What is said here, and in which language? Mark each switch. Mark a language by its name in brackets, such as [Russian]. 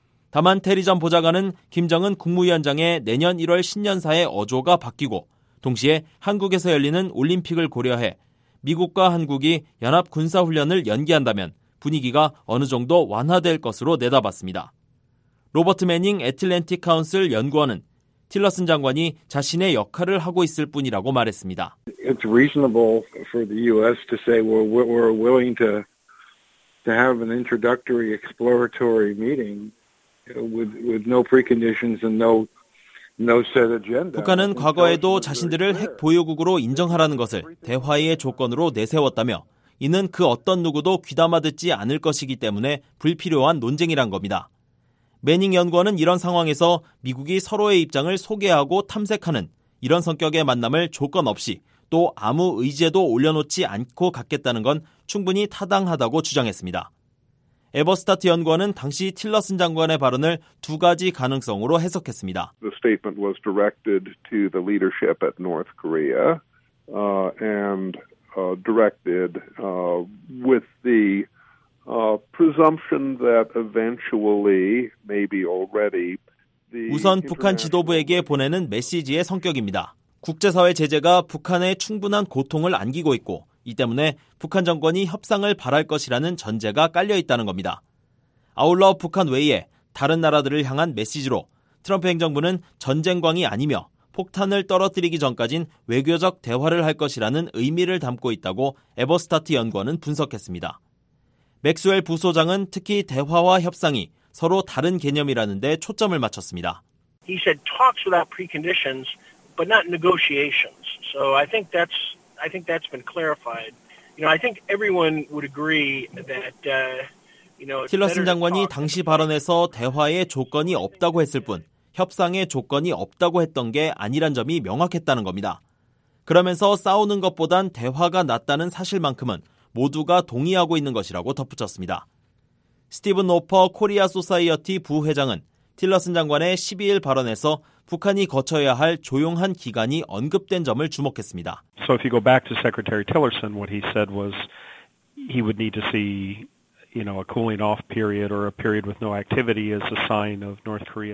[Korean] 다만 테리 전 보좌관은 김정은 국무위원장의 내년 1월 신년사의 어조가 바뀌고 동시에 한국에서 열리는 올림픽을 고려해 미국과 한국이 연합군사훈련을 연기한다면 분위기가 어느 정도 완화될 것으로 내다봤습니다. 로버트 매닝 애틀랜틱 카운슬 연구원은 틸러슨 장관이 자신의 역할을 하고 있을 뿐이라고 말했습니다. [English] It's reasonable for the U.S. to say we're willing to have an introductory exploratory meeting with no preconditions and no set agenda. [Korean] 북한은 과거에도 자신들을 핵 보유국으로 인정하라는 것을 대화의 조건으로 내세웠다며 이는 그 어떤 누구도 귀담아 듣지 않을 것이기 때문에 불필요한 논쟁이란 겁니다. 매닝 연구원은 이런 상황에서 미국이 서로의 입장을 소개하고 탐색하는 이런 성격의 만남을 조건 없이 또 아무 의제도 올려놓지 않고 갖겠다는 건 충분히 타당하다고 주장했습니다. 에버스타트 연구원은 당시 틸러슨 장관의 발언을 두 가지 가능성으로 해석했습니다. [English] The statement was directed to the leadership at North Korea and directed with the presumption that eventually, maybe already, [Korean] 우선 북한 지도부에게 보내는 메시지의 성격입니다. 국제사회 제재가 북한에 충분한 고통을 안기고 있고 이 때문에 북한 정권이 협상을 바랄 것이라는 전제가 깔려있다는 겁니다. 아울러 북한 외에 다른 나라들을 향한 메시지로 트럼프 행정부는 전쟁광이 아니며 폭탄을 떨어뜨리기 전까진 외교적 대화를 할 것이라는 의미를 담고 있다고 에버스타트 연구원은 분석했습니다. 맥스웰 부소장은 특히 대화와 협상이 서로 다른 개념이라는 데 초점을 맞췄습니다. [English] He said talks without preconditions, but not negotiations. So I think that's been clarified. You know, I think everyone would agree that [Korean] Tillerson 장관이 당시 발언에서 대화의 조건이 없다고 했을 뿐 협상의 조건이 없다고 했던 게 아니란 점이 명확했다는 겁니다. 그러면서 싸우는 것보단 대화가 낫다는 사실만큼은 모두가 동의하고 있는 것이라고 덧붙였습니다. 스티븐 노퍼 코리아 소사이어티 부회장은 틸러슨 장관의 12일 발언에서 북한이 거쳐야 할 조용한 기간이 언급된 점을 주목했습니다. [English] So if you go back to Secretary Tillerson, what he said was he would need to see, you know, a cooling off period or a period with no activity as a sign of North Korea.